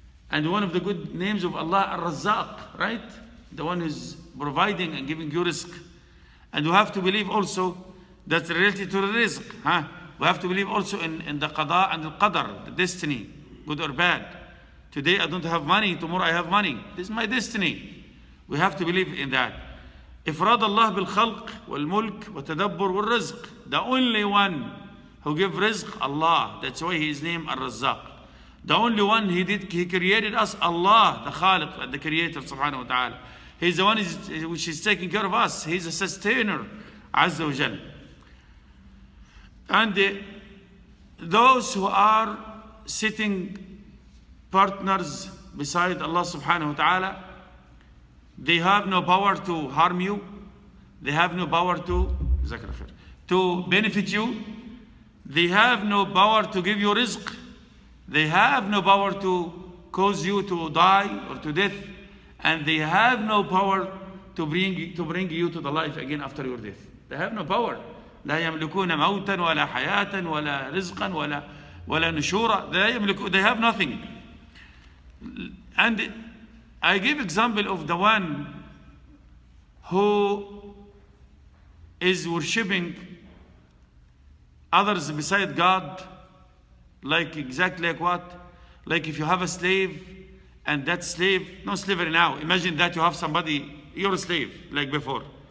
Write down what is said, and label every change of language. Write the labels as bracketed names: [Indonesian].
[English] And one of the good names of Allah, Al-Razzaq, right? The one who's providing and giving you risk. And you have to believe also that's related to the risk. Huh? We have to believe also in the qada and the qadr, the destiny, good or bad. Today I don't have money, tomorrow I have money. This is my destiny. We have to believe in that. [Arabic] إفراد الله بالخلق والملك والتدبر والرزق. [English] The only one who gave رزق, Allah. That's why His name, الرزاق. The only one He did, He created us, Allah, the خالق and the creator, [Arabic] سبحانه وتعالى. [English] He's the one which is taking care of us. He's a sustainer, [Arabic] عز وجل. [English] And those who are sitting partners beside Allah, [Arabic] سبحانه وتعالى, [English] they have no power to harm you. They have no power to benefit you. They have no power to give you rizq. They have no power to cause you to die or to death. And they have no power to bring you to the life again after your death. They have no power. [Arabic] لا يملكون موتا ولا حياة ولا رزقا ولا نشورا. [English] They have nothing. And I give example of the one who is worshipping others beside God, like exactly like what? Like if you have a slave, and that slave, no slavery now, imagine that you have somebody, you're a slave, like before.